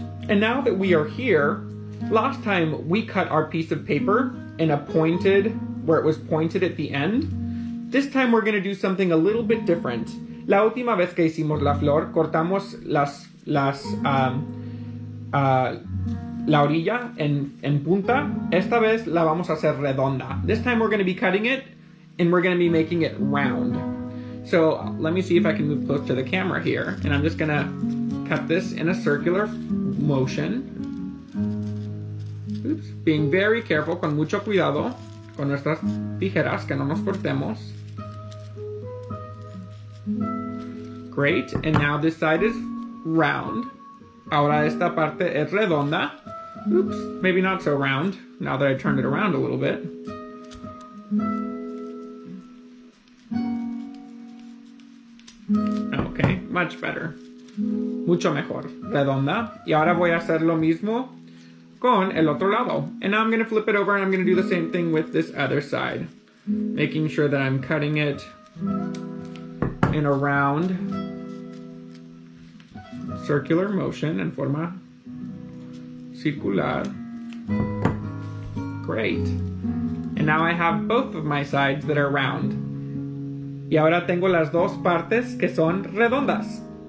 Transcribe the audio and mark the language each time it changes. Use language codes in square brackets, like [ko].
[en] And now that we are here, last time we cut our piece of paper in a pointed, where it was pointed at the end. This time we're going to do something a little bit different. [es] La última vez que hicimos la flor, cortamos la orilla en punta. Esta vez la vamos a hacer redonda. [en] This time we're going to be cutting it, and we're going to be making it round. So let me see if I can move close to the camera here. And I'm just going to cut this in a circular motion. [es] Oops. [en] Being very careful, [es] con mucho cuidado, con nuestras tijeras, que no nos cortemos. [en] Great, and now this side is round. [es] Ahora esta parte es redonda. [en] Oops, maybe not so round, now that I turned it around a little bit. Okay, much better. [es] Mucho mejor, redonda. Y ahora voy a hacer lo mismo con el otro lado. [en] And now I'm gonna flip it over and I'm gonna do the same thing with this other side, making sure that I'm cutting it in a round, circular motion, [es] en forma circular. [en] Great. And now I have both of my sides that are round. [es] Y ahora tengo las dos partes que son redondas.